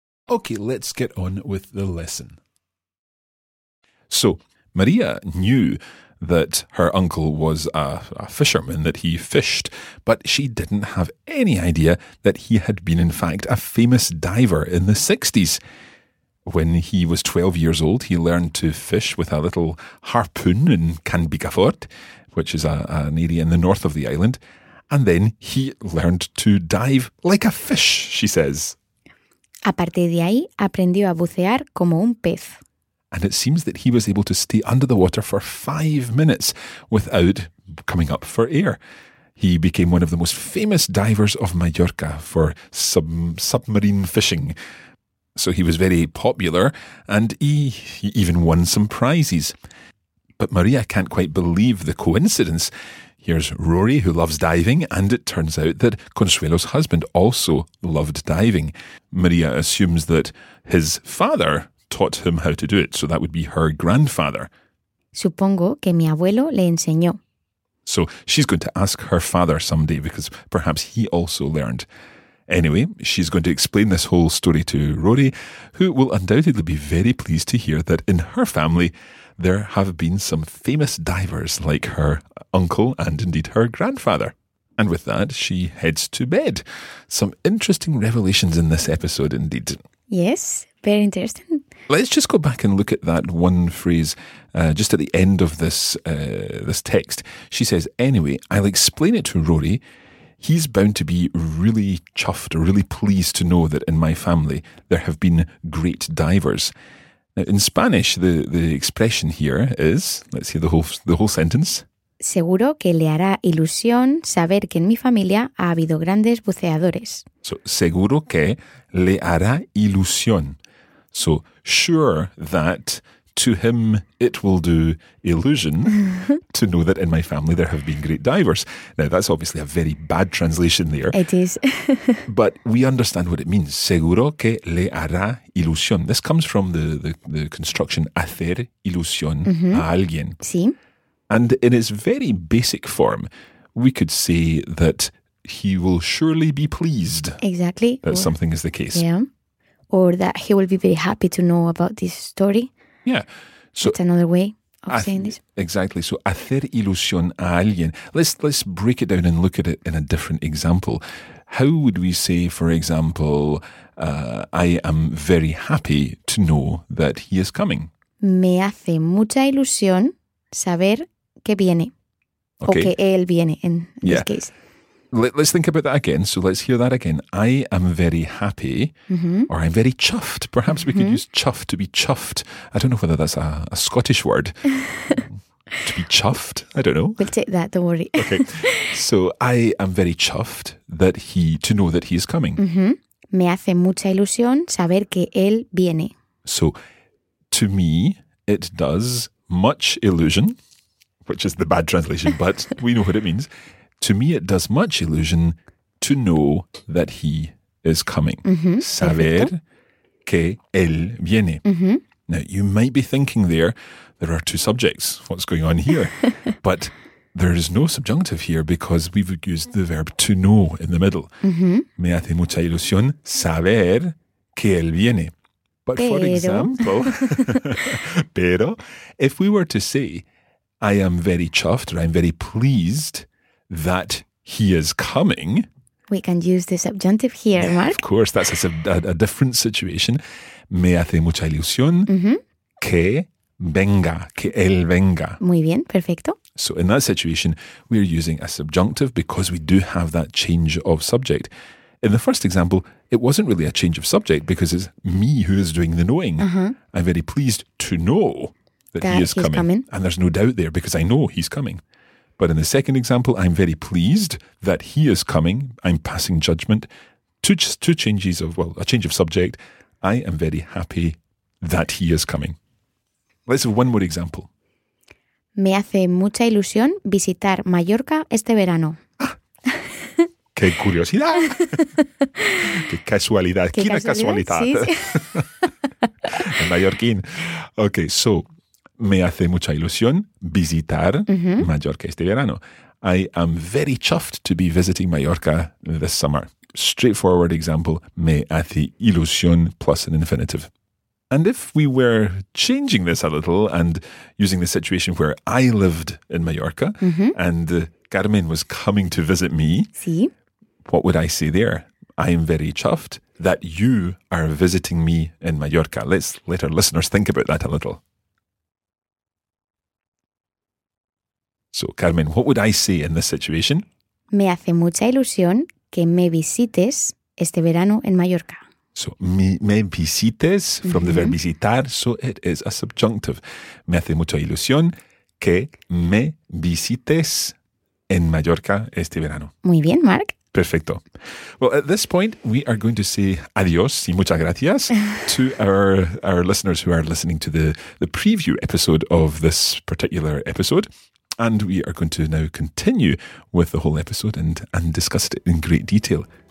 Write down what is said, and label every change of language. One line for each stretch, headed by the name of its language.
English: Okay, let's get on with the lesson. So, Maria knew that her uncle was a fisherman, that he fished, but she didn't have any idea that he had been, in fact, a famous diver in the 60s. When he was 12 years old, he learned to fish with a little harpoon in Canbigafort, which is an area in the north of the island, and then he learned to dive like a fish, she says.
Spanish: A partir de ahí, aprendió a bucear como un pez.
English: And it seems that he was able to stay under the water for 5 minutes without coming up for air. He became one of the most famous divers of Mallorca for submarine fishing. So he was very popular, and he even won some prizes. But Maria can't quite believe the coincidence. Here's Rory, who loves diving, and it turns out that Consuelo's husband also loved diving. Maria assumes that his father taught him how to do it, so that would be her grandfather.
Spanish: Supongo que mi abuelo le enseñó.
English: So she's going to ask her father someday, because perhaps he also learned. Anyway, she's going to explain this whole story to Rory, who will undoubtedly be very pleased to hear that in her family there have been some famous divers like her uncle and indeed her grandfather. And with that, she heads to bed. Some interesting revelations in this episode indeed. Yes, very interesting. Let's just go back and look at that one phrase just at the end of this text. She says, anyway, I'll explain it to Rory. He's bound to be really chuffed or really pleased to know that in my family there have been great divers. Now, in Spanish, the expression here is, let's hear the whole sentence.
Spanish: Seguro que le hará ilusión saber que en mi familia ha habido grandes buceadores. So, seguro que le hará ilusión.
English: So, sure that to him it will do illusion to know that in my family there have been great divers. Now, that's obviously a very bad translation there. It is. But we understand what it means.
Spanish: Seguro que le hará ilusión.
English: This comes from the construction
Spanish: hacer ilusión a alguien. Sí.
English: And in its very basic form, we could say that he will surely be pleased. Exactly. That something is the case. Yeah. Or that he will be very happy to know about this story. Yeah. So it's another way of saying this. Exactly.
Spanish: So hacer ilusión a alguien.
English: Let's break it down and look at it in a different example. How would we say, for example, I am very happy to know that he is coming?
Spanish: Me hace mucha ilusión saber que viene. Okay. O que él viene
English: in this case. Let's think about that again. So let's hear that again. I am very happy, or I'm very chuffed. Perhaps we could use chuffed to be chuffed. I don't know whether that's a Scottish word. To be chuffed? I don't know. We'll take that, don't worry. Okay. So I am very chuffed to know that he is coming. Me hace mucha ilusión saber que él viene. So to me, it does much illusion, which is the bad translation, but we know what it means. To me, it does much illusion to know that he is coming. Mm-hmm.
Spanish: Saber Perfecto. Que él viene. Mm-hmm.
English: Now, you might be thinking there are two subjects. What's going on here? But there is no subjunctive here because we've used the verb to know in the middle. Mm-hmm.
Spanish: Me hace mucha ilusión saber que él viene.
English: But
Spanish: pero.
English: For example,
Spanish: pero,
English: if we were to say, I am very chuffed or I'm very pleased that he is coming. We can use the subjunctive here, Mark. Of course, that's a different situation.
Spanish: Me hace mucha ilusión que venga, que él venga. Muy bien, perfecto.
English: So in that situation, we are using a subjunctive because we do have that change of subject. In the first example, it wasn't really a change of subject because it's me who is doing the knowing. Uh-huh. I'm very pleased to know that he's coming. And there's no doubt there because I know he's coming. But in the second example, I'm very pleased that he is coming. I'm passing judgment. A change of subject. I am very happy that he is coming. Let's have one more example.
Spanish: Me hace mucha ilusión visitar Mallorca este verano. ¡Qué curiosidad! ¡Qué casualidad! ¡Qué casualidad! Sí, sí. En mallorquín. Ok, so, me hace mucha ilusión visitar Mallorca este verano.
English: I am very chuffed to be visiting Mallorca this summer. Straightforward example,
Spanish: me hace ilusión
English: plus an infinitive. And if we were changing this a little and using the situation where I lived in Mallorca and Carmen was coming to visit me,
Spanish: sí.
English: What would I say there? I am very chuffed that you are visiting me in Mallorca. Let's let our listeners think about that a little. So, Carmen, what would I say in this situation?
Spanish: Me hace mucha ilusión que me visites este verano en Mallorca.
English: So,
Spanish: me visites
English: from the verb visitar, so it is a subjunctive.
Spanish: Me hace mucha ilusión que me visites en Mallorca este verano. Muy bien, Mark. Perfecto.
English: Well, at this point, we are going to say
Spanish: adiós y muchas gracias
English: to our listeners who are listening to the preview episode of this particular episode. And we are going to now continue with the whole episode and discuss it in great detail.